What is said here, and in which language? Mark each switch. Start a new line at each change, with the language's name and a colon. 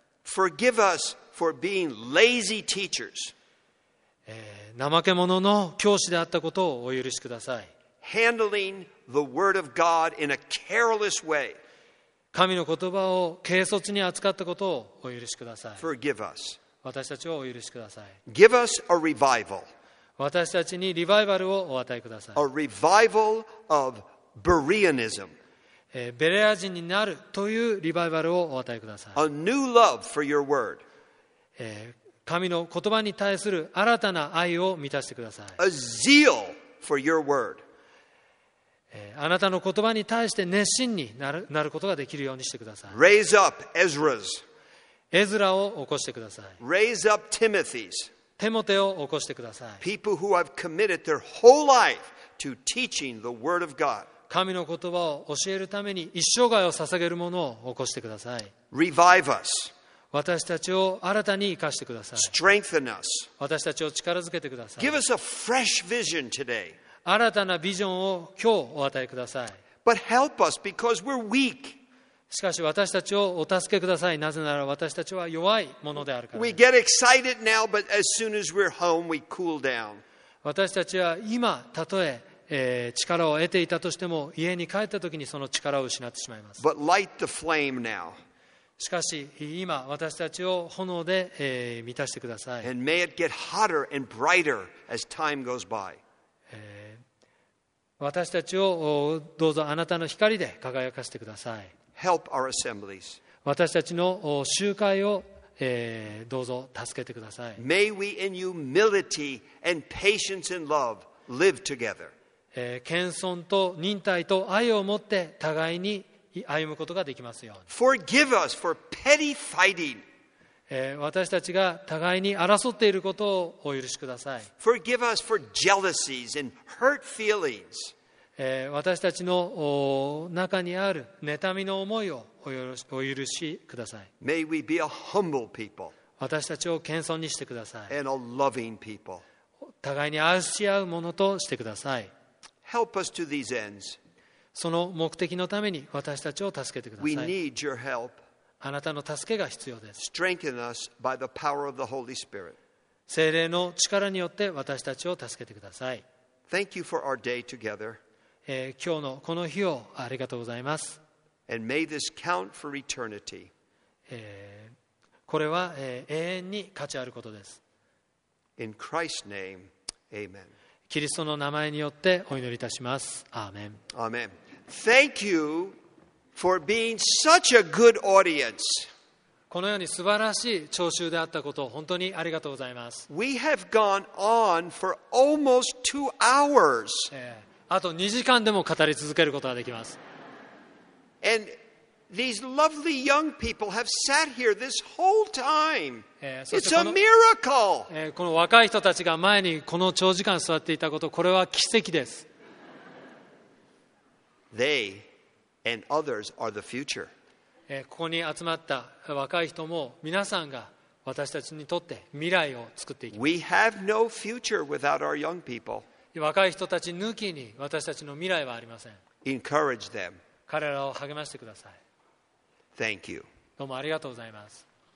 English: Forgive us for being lazy teachers.
Japanese: 怠け者の教師であったことをお許しください。
English: Handling the word of God in a careless way.
Japanese: 神の言葉を軽率に扱ったことをお許しください。
English: Forgive us.
Japanese: 私たちをお許しください。
English: Give us a revival.
Japanese: 私たちにリバイバルをお与えください。
English: A revival ofBereanism.
Japanese: ベレア人になるというリバイバルをお与えください。
English: A new love for your word.
Japanese: 神の言葉に対する新たな愛を満たしてください。
English: A zeal for your word.
Japanese: あなたの言葉に対して熱心になる、なることができるようにしてください。
English: Raise up Ezra's.
Japanese: エズラを起こしてください。
English: Raise up Timothy's.
Japanese: テモテを起こしてください。
English: People who have committed their whole life. To teaching the word of God.
Japanese: 神の言葉を教えるために一生涯を捧げる者を起こしてください。
English: Revive us.
Japanese: 私たちを新たに生かしてください。
English: Strengthen us.
Japanese: 私たちを力づけてください。
English: Give us a fresh vision today.
Japanese: 新たなビジョンを今日お与えください。
English: But help us because we're weak.
Japanese: しかし私たちをお助けください。なぜなら私たちは弱いものであるから。
English: We get excited now, but as soon as we're home, we cool down.
Japanese: 私たちは今たとえ力を得ていたとしても家に帰った時にその力を失ってしまいます。
English: But light the flame now.
Japanese: しかし今私たちを炎で、満たしてください。
English: And may it get hotter and brighter as time goes by.
Japanese: 私たちをどうぞあなたの光で輝かせてください。
English: Help our assemblies.
Japanese: 私たちの集会を、どうぞ助けてください。
English: May we in humility and patience and love live together.
Japanese: 謙遜と忍耐と愛を持って互いに歩むことができますように。
English: Forgive us for petty fighting.
Japanese: 私たちが互いに争っていることをお許しください。
English: Forgive us for jealousies and hurt feelings.
Japanese: 私たちの中にある妬みの思いをお許しください。
English: May we be a humble people.
Japanese: 私たちを謙遜にしてください。
English: And a loving people.
Japanese: 互いに愛し合うものとしてください。
English: Help us to these ends.
Japanese: その目的のために私たちを助けてください。
English: We need your help.
Japanese: あなたの助けが必要です。
English: Strengthen us by the power of the Holy Spirit.
Japanese: 聖霊の力によって私たちを助けてください。
English: Thank you for our day together.
Japanese: 今日のこの日をありがとうございます。
English: And may this count for eternity.
Japanese: これは永遠に価値あることです。
English: In Christ's name, Amen.
Japanese: キリストの名前によってお祈りいたします。アーメン。アーメン。
English: Thank you for being such a good audience.
Japanese: このように素晴らしい聴衆であったことを本当にありがとうございます。
English: We have gone on for almost two hours.
Japanese: あと2時間でも語り続けることができます。
English: And these lovely young people have sat here this whole time. It's a miracle.
Japanese: この若い人たちが前にこの長時間座っていたこと、これは奇跡です。
English: They and others are the future.
Japanese: ここに集まった若い人も皆さんが私たちにとって未来を作っていきます。
English: We have no future without our young people.
Japanese: 若い人たち抜きに私たちの未来はありません。
English: Encourage them.
Japanese: 彼らを励ましてください。
English: Thank you.
Japanese: どうもありがとうございます。